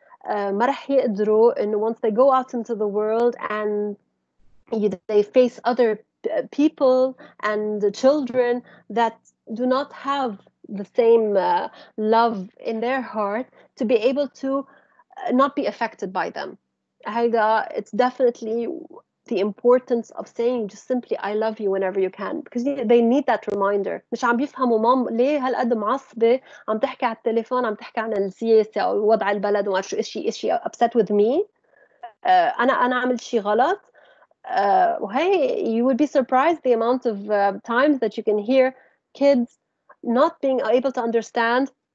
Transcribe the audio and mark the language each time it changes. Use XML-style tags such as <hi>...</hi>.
<en>And once they go out into the world and they face other people and the children that do not have the same love in their heart, to be able to not be affected by them. It's definitely the importance of saying just simply I love you whenever you can, because they need that reminder.</en> <ar>مش عم بيفهموا مام ليه هالقد معصبة عم تحكي على التليفون عم تحكي عن السياسة أو وضع البلد وما شو إشي</ar> <en>upset with me.</en> <ar>أنا عمل شي غلط.</ar> <en>Hey, you would be surprised the amount of times that you can hear kids not being able to understand</en>